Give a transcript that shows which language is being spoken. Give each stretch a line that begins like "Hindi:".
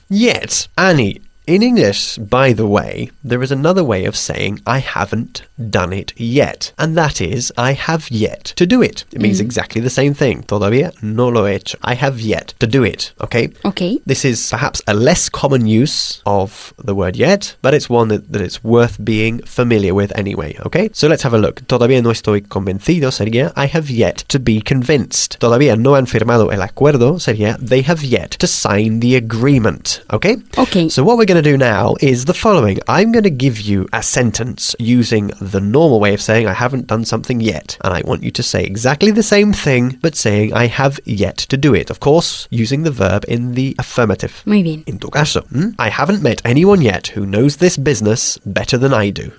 English: Yet, Annie, in English, by the way, there is another way of saying I haven't done it yet. And that is, I have yet to do it. It means exactly the same thing.
Spanish: Todavía no lo he hecho.
English: I have yet to do it. Okay? Okay. This is perhaps a less common use of the word yet, but it's one that it's worth being familiar with anyway. Okay? So let's have a look.
Spanish: Todavía no estoy convencido sería
English: I have yet to be convinced.
Spanish: Todavía no han firmado el acuerdo sería
English: they have yet to sign the agreement. Okay? Okay. So what we're going to do now is the following. I'm going to give you a sentence using the normal way of saying I haven't done something yet. And I want you to say exactly the same thing, but saying I have yet to do it. Of course, using the verb in the affirmative.
Spanish: Muy bien. En tu caso,
English: I haven't met anyone yet who knows this business better than I do.